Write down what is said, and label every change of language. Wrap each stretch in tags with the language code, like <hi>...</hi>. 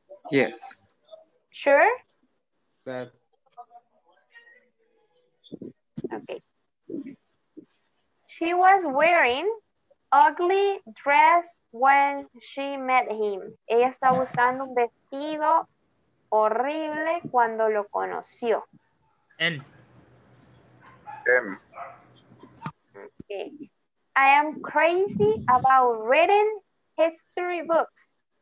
<en>Yes. Sure? That. Okay. She was wearing ugly dress when she met him.</en> <es>Ella estaba usando un vestido horrible cuando lo conoció.</es> <en>Okay. I am crazy about reading history books.</en>